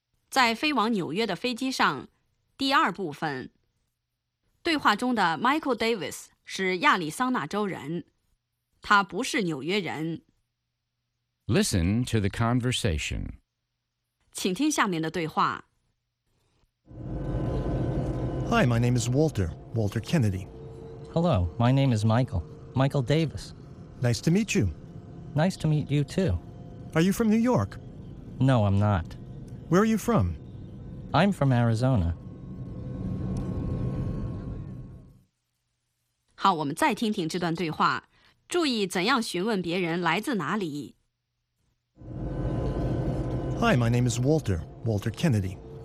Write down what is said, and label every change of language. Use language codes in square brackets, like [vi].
[zh] 在飞往纽约的飞机上，第二部分。对话中的 Michael Davis 是亚利桑那州人，他不是纽约人。 [en] Listen to the conversation. [zh] 请听下面的对话。 [en] Hi, my name is Walter, Walter Kennedy. Hello, my name is Michael, Michael Davis. Nice to meet you. Nice to meet you, too. Are you from New York? No, I'm not. Where are you from? I'm from Arizona. [zh] 好，我们再听听这段对话，注意怎样询问别人来自哪里。 [en] Hi, my name is Walter, Walter Kennedy.